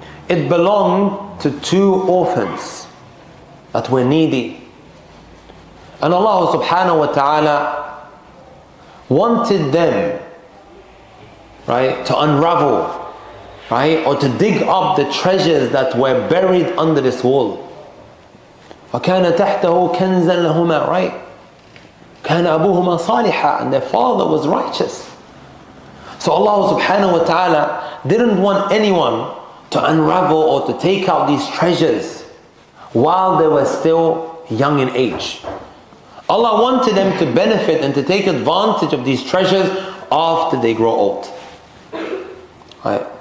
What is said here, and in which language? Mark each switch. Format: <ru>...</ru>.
<en>It belonged to two orphans that were needy. And Allah subhanahu wa ta'ala wanted them, right, to unravel right? Or to dig up the treasures that were buried under this wall.</en> <ar>وَكَانَ تَحْتَهُ كَنْزًا لَهُمَا,</ar> <en>right?</en> <ar>كَانَ أَبُوهُمَا صَالِحًا,</ar> <en>and their father was righteous. So Allah subhanahu wa ta'ala didn't want anyone to unravel or to take out these treasures while they were still young in age. Allah wanted them to benefit and to take advantage of these treasures after they grow old. Right?</en>